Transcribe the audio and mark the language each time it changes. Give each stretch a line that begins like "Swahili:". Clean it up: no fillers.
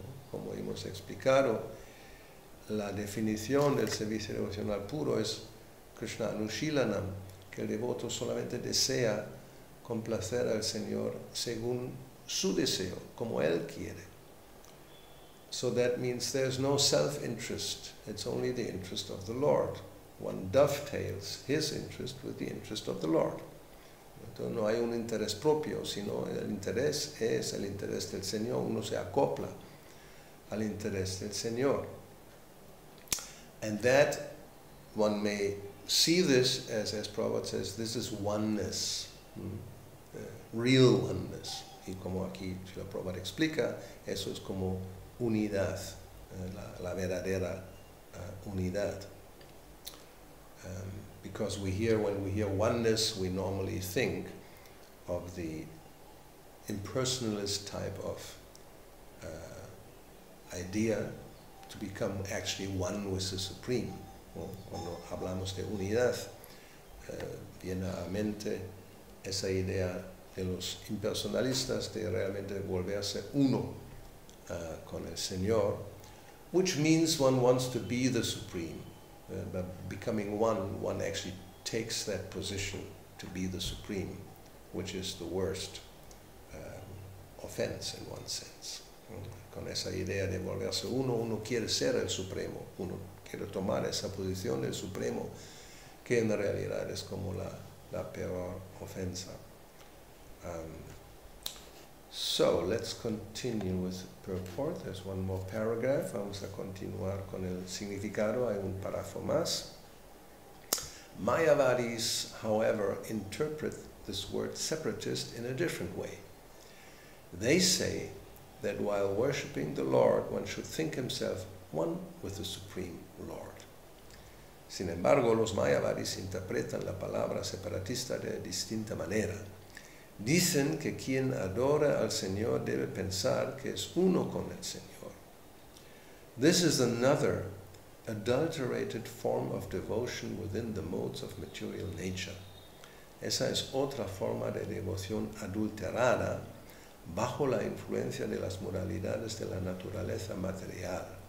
Spanish: Como hemos explicado, la definición del servicio devocional puro es Krishna Anushilanam, que el devoto solamente desea complacer al Señor según su deseo, como él quiere.
English: So that means there's no self-interest, it's only the interest of the Lord. One dovetails his interest with the interest of the Lord.
Spanish: Entonces no hay un interés propio, sino el interés es el interés del Señor. Uno se acopla al interés del Señor.
English: And that, one may see this, as Prabhupada says, this is oneness, real oneness.
Spanish: Y como aquí Srila Prabhupada explica, eso es como unidad, la verdadera unidad.
English: Because we hear, when we hear oneness, we normally think of the impersonalist type of idea to become actually one with the Supreme.
Spanish: Cuando hablamos de unidad, viene a mente esa idea de los impersonalistas de realmente volverse uno con el Señor,
English: which means one wants to be the Supreme. But becoming one actually takes that position to be the Supreme, which is the worst offense in one sense.
Spanish: Con esa idea de volverse uno, uno quiere ser el Supremo, uno quiere tomar esa posición del Supremo, que en realidad es como la peor ofensa.
English: So, let's continue with the purport. There's one more paragraph.
Spanish: Vamos a continuar con el significado. Hay un párrafo más.
English: Mayavadis, however, interpret this word separatist in a different way. They say that while worshipping the Lord, one should think himself one with the Supreme Lord.
Spanish: Sin embargo, los mayavadis interpretan la palabra separatista de distinta manera. Dicen que quien adora al Señor debe pensar que es uno con el Señor.
English: This is another adulterated form of devotion within the modes of material nature.
Spanish: Esa es otra forma de devoción adulterada bajo la influencia de las modalidades de la naturaleza material.